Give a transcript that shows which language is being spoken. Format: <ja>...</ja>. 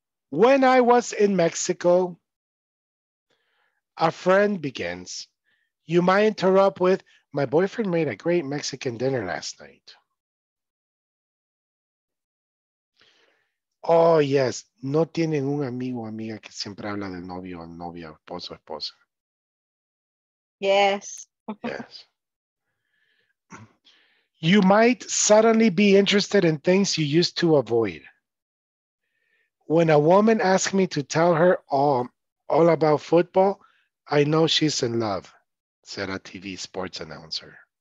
<en>When I was in Mexico, a friend begins. You might interrupt with, my boyfriend made a great Mexican dinner last night. Oh, yes.</en> <es>No tienen un amigo o amiga que siempre habla de novio o novia, esposo o esposa.</es> <en>Yes. Yes. You might suddenly be interested in things you used to avoid. When a woman asks me to tell her all about football, I know she's in love, said a TV sports announcer.</en>